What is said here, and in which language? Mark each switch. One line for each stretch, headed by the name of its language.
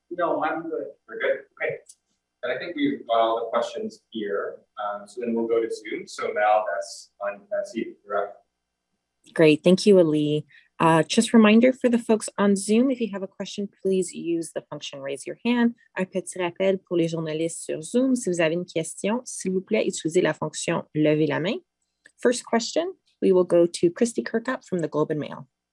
English: No, I'm good. We're good. Okay. And I think we've got all the questions here. So then we'll go to Zoom. So Mal, that's you. You're up. Great. Thank you, Ali. Just a reminder for the folks on Zoom, if you have a question, please use the function raise your hand.
French: Un petit rappel pour les journalistes sur Zoom. Si vous avez une question, s'il vous plaît, utilisez la fonction lever la main.
English: First question, we will go to Christy Kirkup from the Globe and Mail.